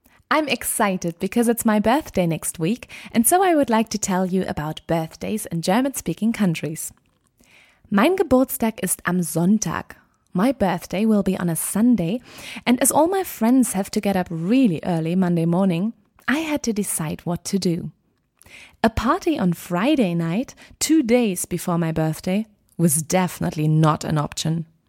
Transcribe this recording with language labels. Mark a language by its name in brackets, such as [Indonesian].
[English] I'm excited because it's my birthday next week. And so I would like to tell you about birthdays in German-speaking countries. [German] Mein Geburtstag ist am Sonntag. [English] My birthday will be on a Sunday, and as all my friends have to get up really early Monday morning, I had to decide what to do. A party on Friday night, 2 days before my birthday, was definitely not an option.